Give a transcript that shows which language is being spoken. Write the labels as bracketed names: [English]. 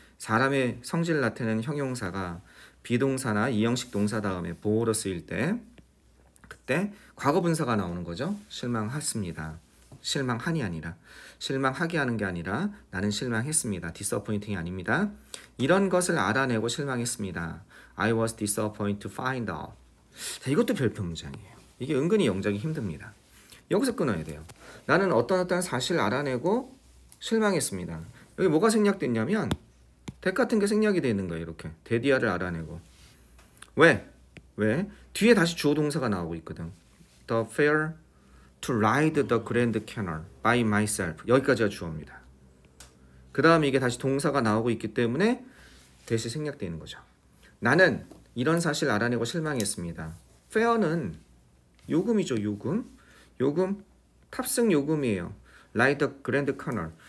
[Korean] 사람의 성질을 나타내는 형용사가 비동사나 이형식 동사 다음에 보어로 쓰일 때 그때 과거분사가 나오는 거죠. 실망했습니다. 실망한이 아니라 실망하게 하는 게 아니라 나는 실망했습니다. Disappointing이 아닙니다. 이런 것을 알아내고 실망했습니다. [English] I was disappointed to find out. [Korean] 이것도 별표 문장이에요. 이게 은근히 영작이 힘듭니다. 여기서 끊어야 돼요. 나는 어떤 어떤 사실을 알아내고 실망했습니다. 여기 뭐가 생략됐냐면 that 같은 게 생략이 되어 있는 거예요. 이렇게 that야를 알아내고 왜? 왜? 뒤에 다시 주어 동사가 나오고 있거든. [English] The fair to ride the grand canal by myself. [Korean] 여기까지가 주어입니다. 그 다음에 이게 다시 동사가 나오고 있기 때문에 that이 생략되어 있는 거죠. 나는 이런 사실을 알아내고 실망했습니다. fair는 요금이죠. 요금. 요금, 탑승 요금이에요. [English] Ride the Grand Canal.